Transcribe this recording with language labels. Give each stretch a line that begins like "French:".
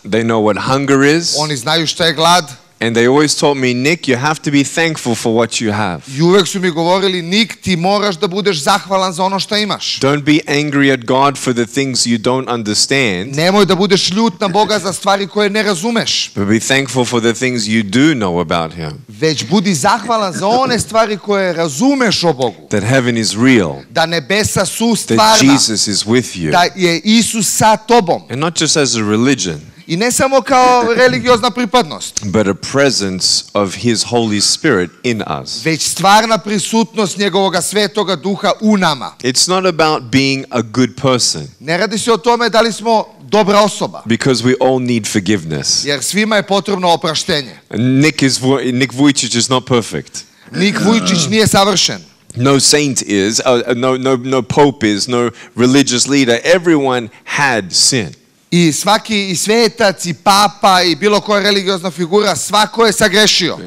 English: They know what hunger is.
Serbian: Oni znaju šta je glad.
English: And they always taught me, Nick, you have to be thankful for what you have.
Serbian: I uvek su mi govorili, Nick, ti moraš da budeš zahvalan za ono što imaš.
English: Don't be angry at God for the things you don't understand.
Serbian: Nemoj da budeš ljut na Boga za stvari koje ne razumeš.
English: But be thankful for the things you do know about Him.
Serbian: Već budi zahvalan za one stvari koje razumeš o Bogu.
English: That heaven is real.
Serbian: Da nebesa su stvarna.
English: That Jesus is with you.
Serbian: Da je Isus sa tobom.
English: And not just as a religion.
Serbian: I ne samo kao religiozna pripadnost.
English: But a presence of His Holy Spirit in us.
Serbian: Već stvarna prisutnost njegovog svetoga duha u nama.
English: It's not about being a good person.
Serbian: Ne radi se o tome da li smo dobra osoba.
English: Because we all need forgiveness.
Serbian: Jer svima je potrebno oproštenje.
English: Nik Vujicic is not perfect.
Serbian: Nik Vujicic nije savršen.
English: No saint is, no pope is, no religious leader. Everyone had sin.
Serbian: I svaki i svetac i papa i bilo koja religiozna figura svako je sagrešio.